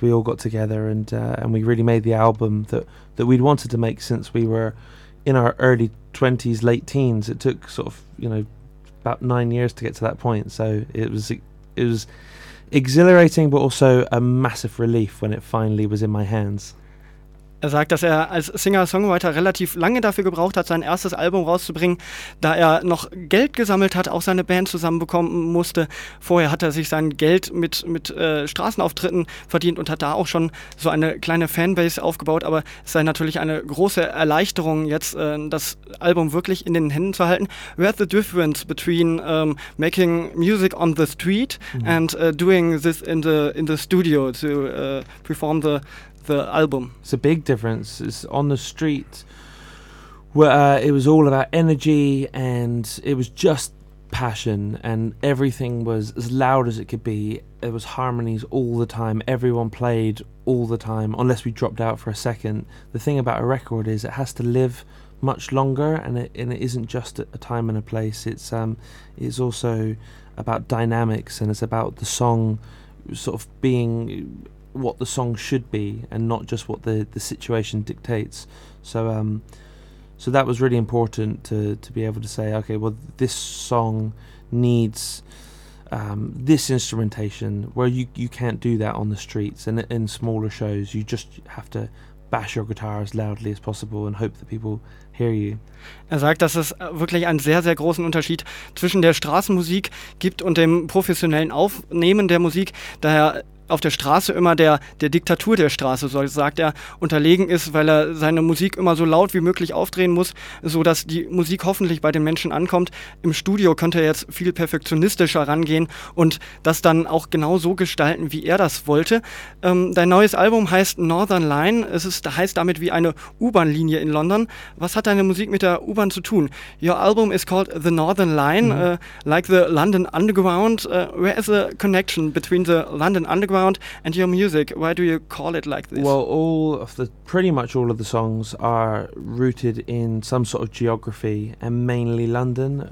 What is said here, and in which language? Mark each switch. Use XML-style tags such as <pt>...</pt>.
<en>We all got together and we really made the album that we'd wanted to make since we were in our early 20s, late teens. It took sort of, about 9 years to get to that point, so it was exhilarating, but also a massive relief when it finally was in my hands.</en> <de>Er sagt, dass er als Singer-Songwriter relativ lange dafür gebraucht hat, sein erstes Album rauszubringen, da er noch Geld gesammelt hat, auch seine Band zusammenbekommen musste. Vorher hat er sich sein Geld mit Straßenauftritten verdient und hat da auch schon so eine kleine Fanbase aufgebaut. Aber es sei natürlich eine große Erleichterung, jetzt das Album wirklich in den Händen zu halten.</de> <en>Where's the difference between making music on the street and doing this in the studio to perform the album? It's a big difference. It's on the street where it was all about energy and it was just passion and everything was as loud as it could be. It was harmonies all the time. Everyone played all the time, unless we dropped out for a second. The thing about a record is it has to live much longer, and it isn't just a time and a place. It's also about dynamics, and it's about the song sort of being what the song should be and not just what the situation dictates. So that was really important to be able to say, okay, well, this song needs this instrumentation, where you can't do that on the streets and in smaller shows. You just have to bash your guitar as loudly as possible and hope that people hear you.</en> <de>Er sagt, dass es wirklich einen sehr, sehr großen Unterschied zwischen der Straßenmusik gibt und dem professionellen Aufnehmen der Musik, daher auf der Straße immer der Diktatur der Straße, so sagt er, unterlegen ist, weil er seine Musik immer so laut wie möglich aufdrehen muss, sodass die Musik hoffentlich bei den Menschen ankommt. Im Studio könnte er jetzt viel perfektionistischer rangehen und das dann auch genau so gestalten, wie er das wollte. Dein neues Album heißt Northern Line. Heißt damit wie eine U-Bahn-Linie in London. Was hat deine Musik mit der U-Bahn zu tun?</de> <en>Your album is called The Northern Line, like the London Underground. Where is the connection between the London Underground and your music? Why do you call it like this? Well, pretty much all of the songs are rooted in some sort of geography, and mainly London.</en>